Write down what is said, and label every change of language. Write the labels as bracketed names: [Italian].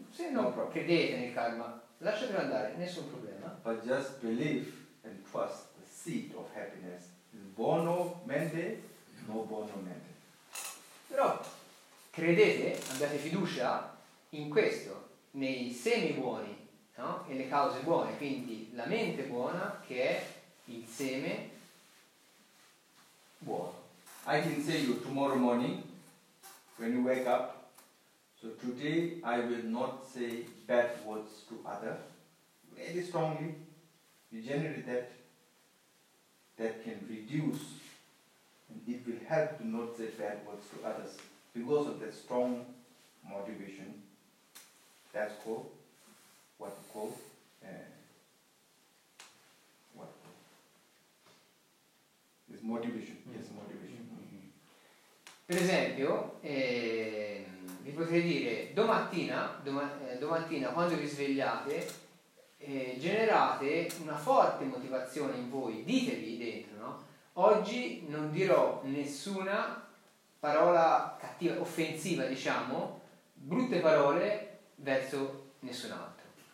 [Italian] Se non credete nel karma, lasciatelo andare, nessun problema. [English] But just believe and trust the seed of happiness. [Italian] Bono mente, no bono mente. Però credete, abbiate fiducia in questo, nei semi buoni, no? E le cause buone, quindi la mente buona che è il seme buono. [English] I can say you tomorrow morning when you wake up, so today I will not say bad words to other very strongly. You generate that can reduce, and it will help to not say bad words to others because of that strong motivation. That's called what you call this motivation. Mm-hmm. Yes, motivation. [Italian] Per esempio, vi potrei dire domattina quando vi svegliate, generate una forte motivazione in voi, ditevi dentro, no? Oggi non dirò nessuna parola cattiva, offensiva, diciamo, brutte parole verso nessun altro.